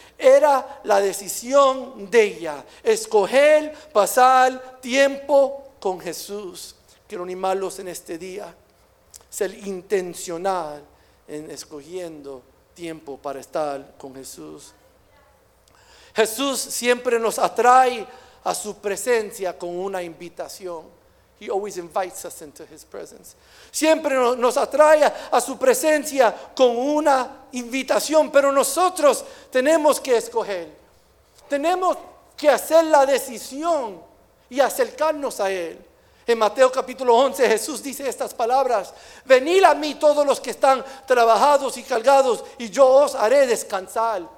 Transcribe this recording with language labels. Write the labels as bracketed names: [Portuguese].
[Spanish] Era la decisión de ella, escoger pasar tiempo con Jesús. Quiero animarlos en este día, ser intencional en escogiendo tiempo para estar con Jesús. Jesús siempre nos atrae a su presencia con una invitación. [English] He always invites us into his presence. [Spanish] Siempre nos atrae a su presencia con una invitación, pero nosotros tenemos que escoger. Tenemos que hacer la decisión y acercarnos a Él. En Mateo capítulo 11, Jesús dice estas palabras: venid a mí todos los que están trabajados y cargados, y yo os haré descansar.